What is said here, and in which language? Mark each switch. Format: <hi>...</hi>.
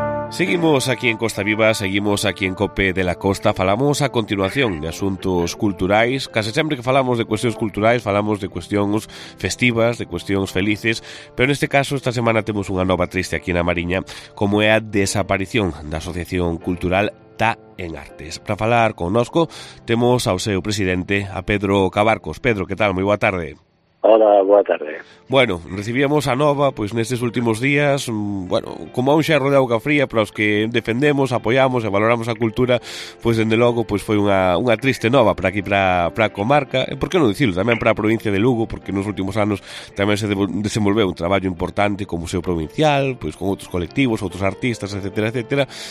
<es>Seguimos aquí en Costa Viva, seguimos aquí en COPE de la Costa.</es> <gl>Falamos a continuación de asuntos culturais. Casi sempre que falamos de cuestións culturais, falamos de cuestións festivas, de cuestións felices. Pero neste caso, esta semana temos unha nova triste aquí na Mariña, como é a desaparición da Asociación Cultural Ta en Artes. Para falar connosco, temos ao seu presidente, a Pedro Cabarcos. Pedro, que tal? Moi boa tarde. Hola, boa tarde. Bueno, recibíamos a nova pois nestes últimos días, bueno, como a un xerro de auga fría para os que defendemos, apoiamos e valoramos a cultura, pois dende logo pois foi unha triste nova para aquí, para a comarca, e por que non dicilo, tamén para a provincia de Lugo, porque nos últimos anos tamén se desenvolveu un traballo importante como Museo Provincial, pois con outros colectivos, outros artistas, etcétera, etcétera.</gl>